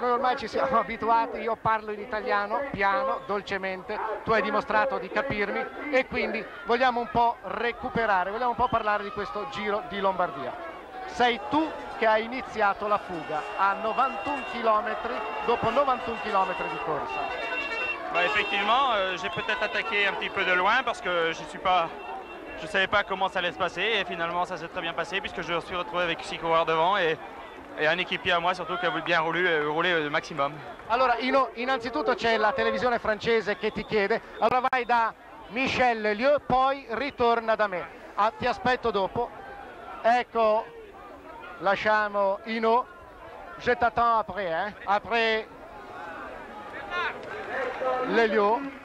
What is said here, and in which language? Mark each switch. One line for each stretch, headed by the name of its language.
Italian: Noi ormai ci siamo abituati, io parlo in italiano, piano, dolcemente, tu hai dimostrato di capirmi e quindi vogliamo un po' recuperare, vogliamo un po' parlare di questo Giro di Lombardia. Sei tu che hai iniziato la fuga a 91 km, dopo 91 km di corsa. Ma effettivamente,
French: j'ai peut-être attaqué un petit peu de loin parce que je savais pas comment ça allait se passer et finalement ça s'est très bien passé puisque je me suis retrouvé avec 6 coureurs devant et un équipier à moi surtout qui a bien roulé le maximum.
Italian: Allora Hinault, innanzitutto c'è la televisione francese che ti chiede, allora vai da Michel Lieu, poi ritorna da me, ti aspetto dopo. Ecco, lasciamo
French: Hinault, je t'attends après, eh? Après les Lieu.